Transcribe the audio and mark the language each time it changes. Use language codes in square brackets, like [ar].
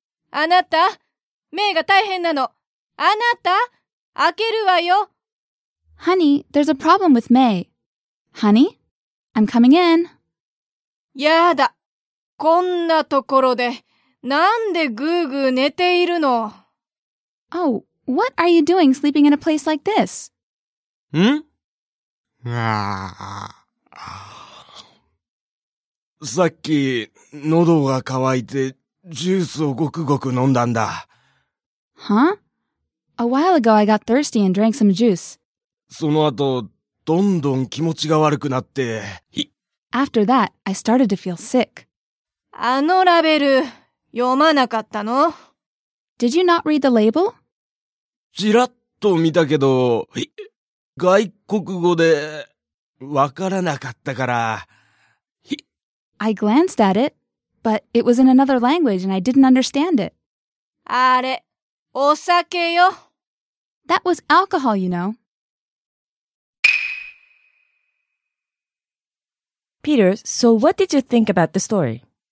[ja] あなた、目が大変なの。あなた、開けるわよ。 [en] Honey, there's a problem with May. Honey, I'm coming in. [ja] やだ。こんなところで、なんでぐーぐー寝ているの？ [en] Oh, what are you doing sleeping in a place like this? ん？あ [ja] さっき、喉が渇いて、ジュースをごくごく飲んだんだ。 [en] Huh? A while ago, I got thirsty and drank some juice. [ja] その後、どんどん気持ちが悪くなって。 [en] After that, I started to feel sick. [ja] あのラベル、読まなかったの？ [en] Did you not read the label? [ja] ちらっと見たけど、外国語でわからなかったから。 [en] I glanced at it, but it was in another language and I didn't understand it. [ja] あれ、お酒よ。 [en] That was alcohol, you know. Peter, so what did you think about the story?